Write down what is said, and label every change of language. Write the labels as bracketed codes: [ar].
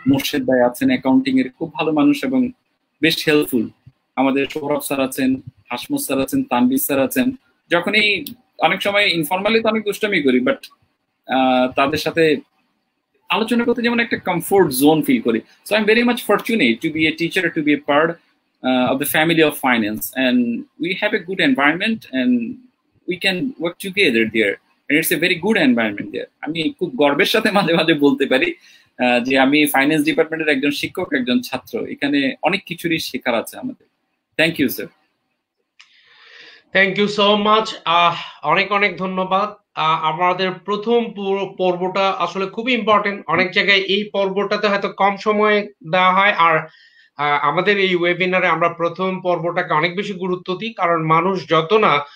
[bn] মোর্শেদ ভাই আছেন অ্যাকাউন্টিং এর, খুব ভালো মানুষ এবং বেস্ট হেল্পফুল। আমাদের সৌরভ স্যার আছেন, হাসমত স্যার আছেন, তানবির স্যার আছেন, যখনই অনেক সময় ইনফরমালি তো অনেক দুষ্টামি করি, বাট তাদের সাথে আলোচনা করতে যেমন একটা কমফোর্ট জোন ফিল করি। [en] So I am very much fortunate to be a teacher, to be a part of the family of finance, and we have a good environment and we can work together there. And it's a very good environment there. I mean, [bn] খুব গর্বের সাথে মাঝে মাঝে বলতে পারি যে আমি finance ডিপার্টমেন্টের একজন শিক্ষক একজন ছাত্র এখানে অনেক কিছুরই শেখার আছে আমাদের [en] thank you [bn] sir [en] thank you so much [bn] অনেক অনেক ধন্যবাদ আমাদের প্রথম পর্বটা আসলে খুব ইম্পর্টেন্ট অনেক জায়গায় এই পর্বটাতে হয়তো কম সময় দেওয়া হয় আর আমাদের এই ওয়েবিনারে আমরা প্রথম পর্বটাকে অনেক বেশি গুরুত্ব দিই কারণ মানুষ যত না